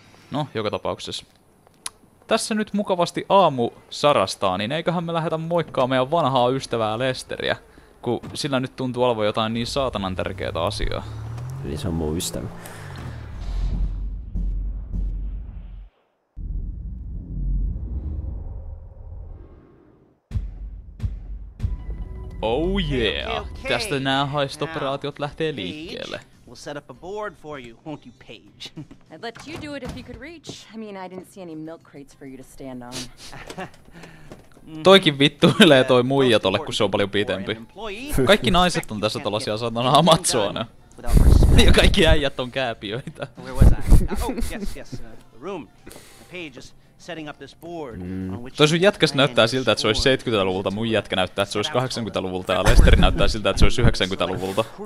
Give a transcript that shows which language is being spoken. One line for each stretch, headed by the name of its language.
Finnish: No, joka tapauksessa. Tässä nyt mukavasti aamu sarastaa, niin eiköhän me lähetä moikkaa meidän vanhaa ystävää Lesteriä, kun sillä nyt tuntuu olevan jotain niin saatanan tärkeää asiaa. Eli se on mun ystävä.
English: Oh yeah! Okay, okay.
Finnish: Tästä nämä haistoperaatiot lähtee liikkeelle.
English: We'll set up a board for you, won't you, Paige? I'd let you do it if you could reach. I mean, I didn't see any milk crates for you to stand on.
Finnish: Toikin vittuilee toi muija tolle, kun se on paljon pitempi. Kaikki naiset on tässä tollasia satana Amazonia. Ja kaikki äijät on kääpiöitä.
English: Where was I? Oh, yes, the room. Paige is setting up this board.
Finnish: Toi sun jätkäs näyttää siltä, että se olisi 70-luvulta, mun jätkä näyttää, että se olisi 80-luvulta, ja Lesteri näyttää siltä, että se olisi 90-luvulta.